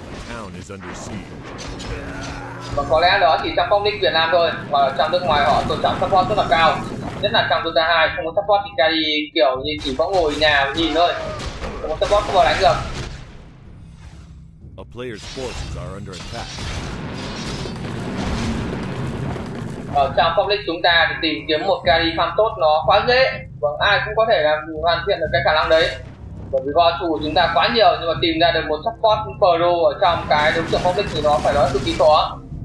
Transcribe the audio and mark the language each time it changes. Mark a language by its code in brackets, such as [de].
[en] Town is under siege. [vi] Và có lẽ đó chỉ trong phong linh Việt Nam thôi. Và trong nước ngoài họ tổ chức support rất là cao. Nhất là trong Dota 2, không có support thì Kari kiểu như chỉ có ngồi nhà nhìn thôi. Không có support không có đánh được. [en] A player's forces are under attack. [vi] Ở trong public chúng ta thì tìm kiếm một carry farm tốt nó quá dễ. Vâng, ai cũng có thể làm hoàn thiện được cái khả năng đấy. Bởi vì voice của chúng ta quá nhiều, nhưng mà tìm ra được một support pro ở trong cái đấu trường public thì nó phải nói cực kỳ khó.